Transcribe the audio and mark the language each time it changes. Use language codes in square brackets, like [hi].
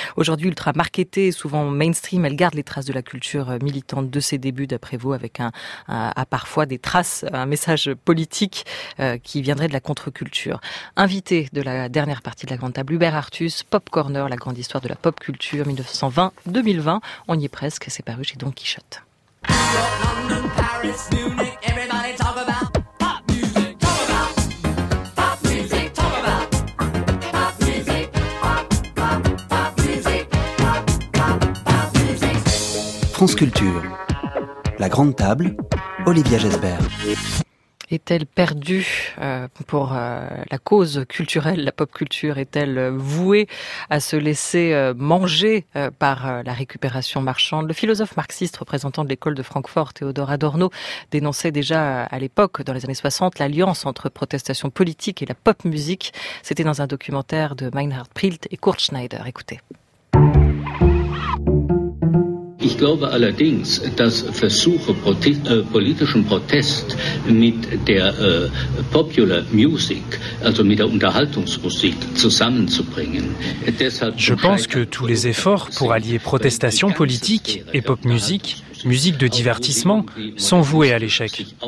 [fr] Aujourd'hui ultra-marketée, souvent mainstream, elle garde les traces de la culture militante de ses débuts d'après vous, avec parfois des traces, un message politique qui viendrait de la contre-culture. Invité de la dernière partie de la grande table, Hubert Artus, Pop Corner, la grande histoire de la pop culture 1920-2020, on y est presque, c'est paru chez Don Quichotte. [en] London, Paris, Munich, everybody talk about pop music, talk about pop music, talk about pop music, pop music, pop music. [fr] France Culture, la grande table, Olivia Jesbert. Est-elle perdue pour la cause culturelle, la pop culture? Est-elle vouée à se laisser manger par la récupération marchande? Le philosophe marxiste représentant de l'école de Francfort, Théodore Adorno, dénonçait déjà à l'époque, dans les années 60, l'alliance entre protestation politique et la pop musique. C'était dans un documentaire de Meinhard Prilt et Kurt Schneider. Écoutez. [de] Ich glaube allerdings, dass Versuche politischen Protest mit der Popular Music, also mit der Unterhaltungsmusik, zusammenzubringen. [fr] Je pense que tous les efforts pour allier Protestation politique et Pop Music, musique de divertissement, sont voués à l'échec.